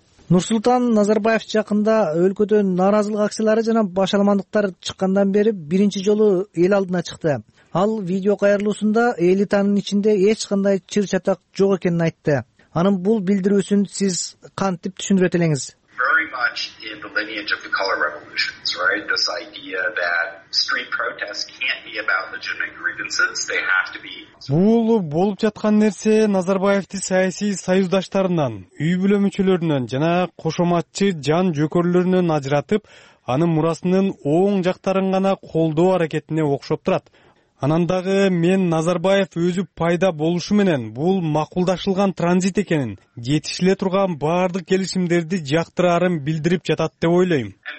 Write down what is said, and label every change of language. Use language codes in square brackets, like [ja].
[ky] Нурсултан Назарбаев жакында өлкөдө нааразылык акциялары жана башалмандыктар чыккандан бери биринчи жолу эл алдына чыкты. Ал видео кайрылуусунда элитанын ичинде эч кандай чыр чатак жок экенин айтты. Анын бул билдирүүсүн сиз кантип түшүндүрөт элеңиз? [en] In the lineage of the color revolutions, right? This idea that street protests can't be about legitimate grievances, they have to be. [ky] Бул болуп жаткан нерсе Назарбаевди саясий союздаштарынан, үй бүлө мүчөлөрүнөн жана кошоматчы жан жөкөрлөрүнөн ажыратып, анын мурасынын оң жактарын гана колдоо аракетине окшоп турат. Анан дагы мен Назарбаев өзү пайда болушу менен бул макулдашылган транзит экенин, жетишиле турган бардык келишимдерди жактырарын билдирип жатат деп ойлойм.